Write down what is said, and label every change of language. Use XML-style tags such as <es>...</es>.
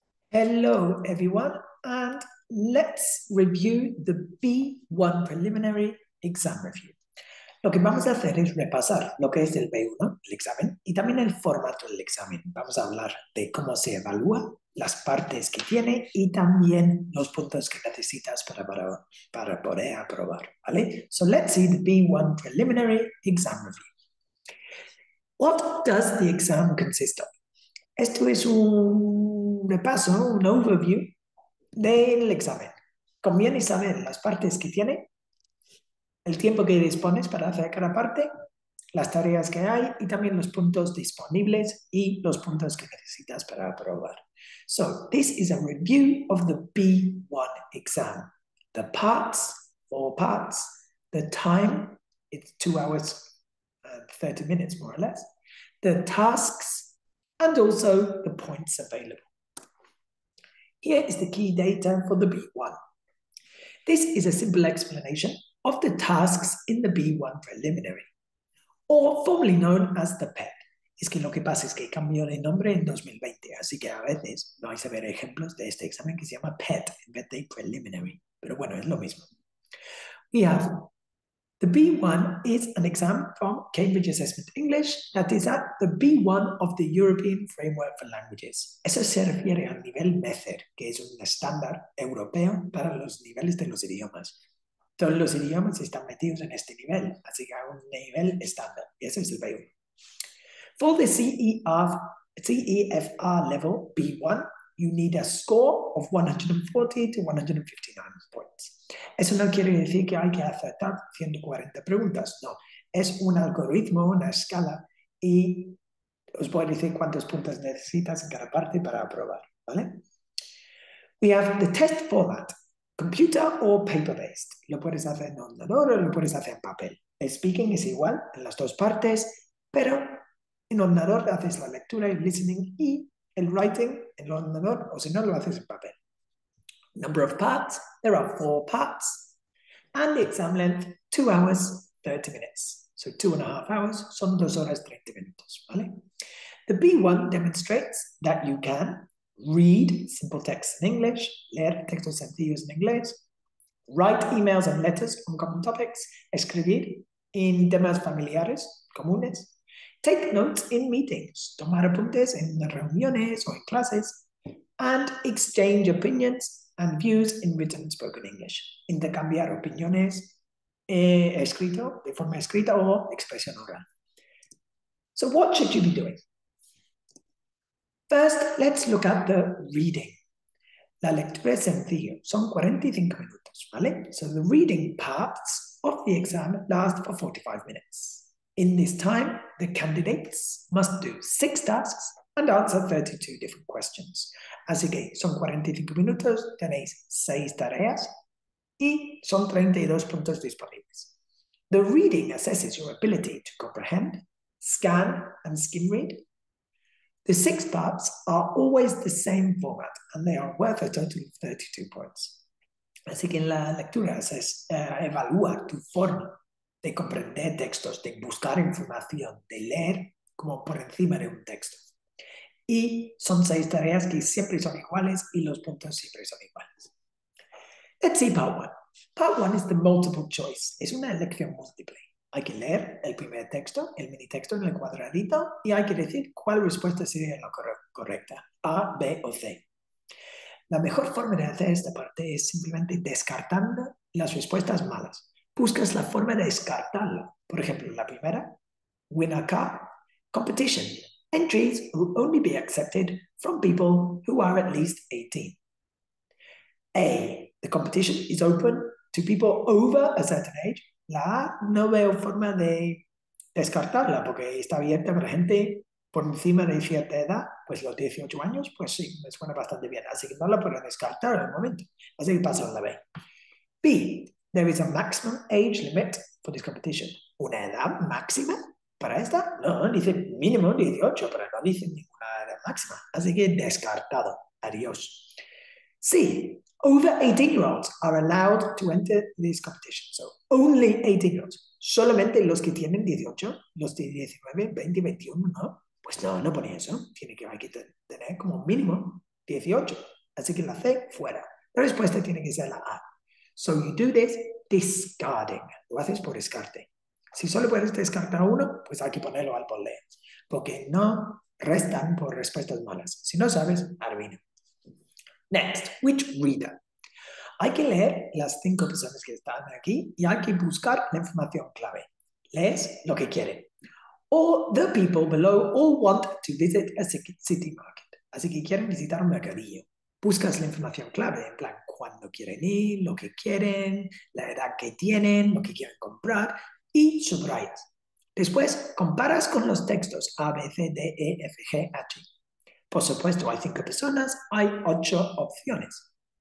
<en>Hello everyone, and let's review the B1 preliminary exam review.</en> <es>Lo que vamos a hacer es repasar lo que es el B1, el examen, y también el formato del examen. Vamos a hablar de cómo se evalúa, las partes que tiene y también los puntos que necesitas para poder aprobar, ¿vale?</es> <en>So let's see the B1 preliminary exam review. What does the exam consist of?</en> <es>Esto es un repaso, un overview del examen. Conviene saber las partes que tiene, el tiempo que dispones para hacer cada parte, las tareas que hay y también los puntos disponibles y los puntos que necesitas para aprobar.</es> <en>So, this is a review of the B1 exam. The parts, 4 parts, the time, it's 2 hours and 30 minutes more or less, the tasks, and also the points available. Here is the key data for the B1. This is a simple explanation of the tasks in the B1 preliminary, or formerly known as the PEP.</en> <es>Es que lo que pasa es que cambió de nombre en 2020, así que a veces vais a ver ejemplos de este examen que se llama PET en vez de preliminary, pero bueno, es lo mismo.</es> <en>We have the B1 is an exam from Cambridge Assessment English that is at the B1 of the European Framework for Languages.</en> <es>Eso se refiere al nivel MECER, que es un estándar europeo para los niveles de los idiomas. Todos los idiomas están metidos en este nivel, así que a un nivel estándar, y ese es el B1.</es> <en>For the CEFR level B1, you need a score of 140 to 159 points.</en> <es>Eso no quiere decir que hay que acertar 140 preguntas, no. Es un algoritmo, una escala, y os puedo decir cuántos puntos necesitas en cada parte para aprobar, ¿vale?</es> <en>We have the test format, computer or paper-based.</en> <es>Lo puedes hacer en ordenador o lo puedes hacer en papel. El speaking es igual en las dos partes, pero en ordenador haces la lectura y listening y el writing en ordenador, o si no, lo haces en papel.</es> <en>Number of parts, there are 4 parts, and the exam length, 2 hours, 30 minutes. So 2.5 hours,</en> <es>son 2 horas, 30 minutos, ¿vale?</es> <en>The B1 demonstrates that you can read simple texts in English,</en> <es>leer textos sencillos en inglés,</es> <en>write emails and letters on common topics,</en> <es>escribir en temas familiares comunes,</es> <en>take notes in meetings,</en> <es>tomar apuntes en reuniones o en clases,</es> <en>and exchange opinions and views in written and spoken English.</en> <es>Intercambiar opiniones escrito, de forma escrita o expresión oral.</es> <en>So what should you be doing? First, let's look at the reading.</en> <es>La lectura es sencilla, son 45 minutos, ¿vale?</es> <en>So the reading parts of the exam last for 45 minutes. In this time, the candidates must do 6 tasks and answer 32 different questions.</en> <es>Así que son 45 minutos, tenéis 6 tareas y son 32 puntos disponibles.</es> <en>The reading assesses your ability to comprehend, scan and skim read. The 6 parts are always the same format and they are worth a total of 32 points.</en> <es>Así que la lectura evalúa tu forma de comprender textos, de buscar información, de leer como por encima de un texto. Y son 6 tareas que siempre son iguales y los puntos siempre son iguales.</es> <en>Let's see part one. Part one is the multiple choice.</en> <es>Es una elección múltiple. Hay que leer el primer texto, el mini texto en el cuadradito, y hay que decir cuál respuesta sería la correcta, A, B o C. La mejor forma de hacer esta parte es simplemente descartando las respuestas malas. Buscas la forma de descartarla. Por ejemplo, la primera,</es> <en>win a car, competition. Entries will only be accepted from people who are at least 18. A, the competition is open to people over a certain age.</en> <es>La A, no veo forma de descartarla porque está abierta para gente por encima de cierta edad, pues los 18 años, pues sí, me suena bastante bien. Así que no la puedo descartar en el momento. Así que paso a la B.</es> <en>B, there is a maximum age limit for this competition.</en> <es>Una edad máxima. Para esta, no, dice mínimo 18, pero no dice ninguna edad máxima. Así que descartado. Adiós.</es> <en>C, over 18-year-olds are allowed to enter this competition. So, only 18-year-olds.</en> <es>Solamente los que tienen 18, los de 19, 20, 21, ¿no? Pues no, no pone eso. Tiene que, hay que tener como mínimo 18. Así que la C, fuera. La respuesta tiene que ser la A.</es> <en>So you do this discarding.</en> <es>Lo haces por descarte. Si solo puedes descartar uno, pues hay que ponerlo al poleo. Porque no restan por respuestas malas. Si no sabes, adivina.</es> <en>Next, which reader?</en> <es>Hay que leer las cinco personas que están aquí y hay que buscar la información clave. Lees lo que quieren.</es> <en>All the people below all want to visit a city market.</en> <es>Así que quieren visitar un mercadillo. Buscas la información clave, en plan, cuándo quieren ir, lo que quieren, la edad que tienen, lo que quieren comprar, y subrayas. Después, comparas con los textos A, B, C, D, E, F, G, H. Por supuesto, hay cinco personas, hay ocho opciones.</es>